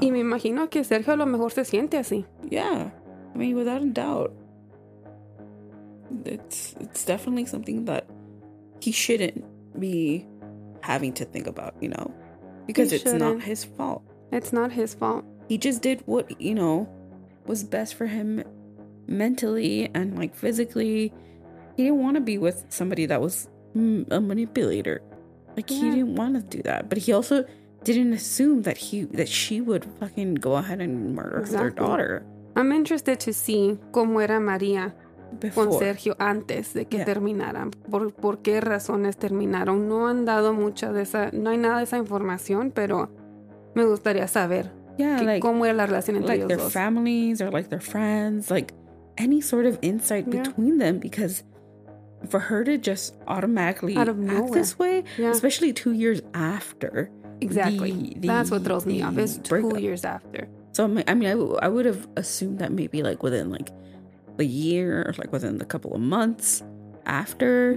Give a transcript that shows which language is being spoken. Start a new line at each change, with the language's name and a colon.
Spanish: Y me imagino que Sergio a lo mejor se siente así.
English: Yeah. I mean, without a doubt. It's definitely something that he shouldn't be having to think about, you know? Because it's not his fault. It's not his fault. He just did what, you know, was best for him mentally and, like, physically. He didn't want to be with somebody that was a manipulator. Like, yeah. He didn't want to do that. But he also didn't assume that she would fucking go ahead and murder her daughter. I'm interested to see
Spanish: cómo era María con Sergio antes de que terminaran. ¿Por qué razones terminaron? No han dado mucha de esa... No hay nada de esa información, pero me gustaría saber.
English: Yeah,
Spanish: cómo era la relación entre ellos dos.
English: Like, their families or, like, their friends. Like, any sort of insight between them, because... For her to just automatically act this way, especially 2 years after. Exactly. That's what throws me off. It's 2 years after. So, I would have assumed that maybe, like, within, like, the year or, like, within the couple of months after.